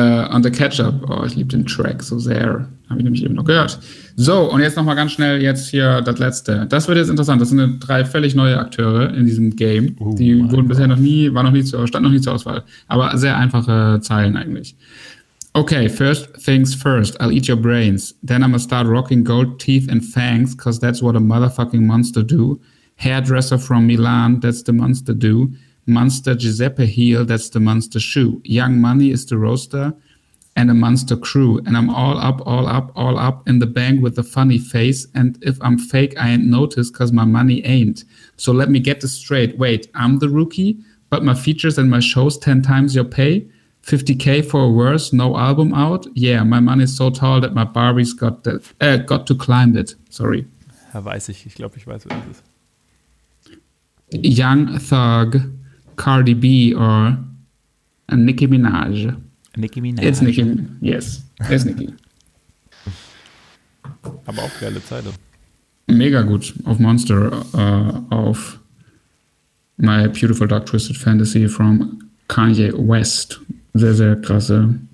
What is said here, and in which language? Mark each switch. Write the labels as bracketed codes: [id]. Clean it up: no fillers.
[en] On the Ketchup. [de] Oh, ich liebe den Track so sehr. Habe ich nämlich eben noch gehört. So, und jetzt nochmal ganz schnell jetzt hier das Letzte. Das wird jetzt interessant. Das sind drei völlig neue Akteure in diesem Game. Die wurden bisher noch nie, stand noch nie zur Auswahl. Aber sehr einfache Zeilen eigentlich. [en] Okay, first things first. I'll eat your brains. Then I'm gonna start rocking gold teeth and fangs, cause that's what a motherfucking monster do. Hairdresser from Milan, that's the monster do. Monster Giuseppe heel, that's the monster shoe. Young Money is the roaster and a monster crew. And I'm all up in the bank with a funny face. And if I'm fake, I ain't noticed because my money ain't. So let me get this straight. Wait, I'm the rookie, but my features and my shows 10 times your pay? 50K for a verse, no album out? Yeah, my money's so tall that my Barbie's got to climb it. Sorry. [de] Ja, weiß ich. Ich glaube, ich weiß, was es ist. Young Thug. Cardi B or Nicki Minaj. Nicki Minaj. [en] It's Nicki. Yes, it's Nicki. [de] Aber auch geile Zeile. Mega gut auf Monster, auf My Beautiful Dark Twisted Fantasy from Kanye West. Sehr, sehr krasse.